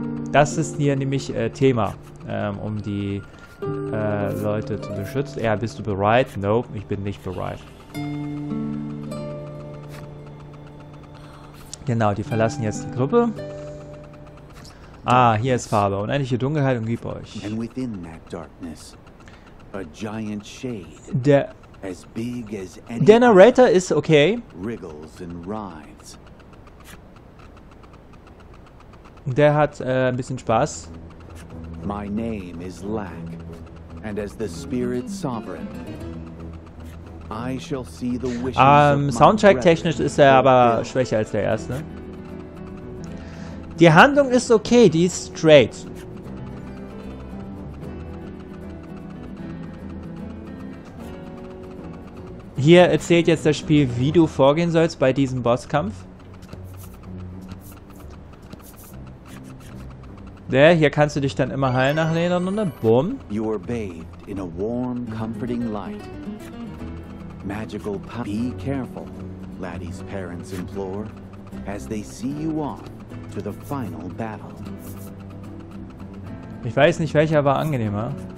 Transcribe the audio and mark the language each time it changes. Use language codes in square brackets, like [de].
[de] Das ist hier nämlich Thema, um die Leute zu beschützen. Ja, bist du bereit? No, ich bin nicht bereit. Genau, die verlassen jetzt die Gruppe. Ah, hier ist Farbe. Unendliche Dunkelheit umgib euch. [en] And within that darkness. A giant shade, as big as any. [de] Der Narrator ist okay. [en] Wriggles and writhes. [de] Der hat ein bisschen Spaß. [en] My name is Lack, and as the spirit sovereign, I shall see the wishes. [de] Soundtrack technisch ist er aber schwächer als der erste. Die Handlung ist okay, die ist straight. Hier erzählt jetzt das Spiel, wie du vorgehen sollst bei diesem Bosskampf. Ja, hier kannst du dich dann immer heilen nach einer Runde. Boom. [en] You are bathed in a warm, comforting light. Magical power. Be careful, Laddie's parents implore, as they see you off to the final battle. [de] Ich weiß nicht, welcher war angenehmer.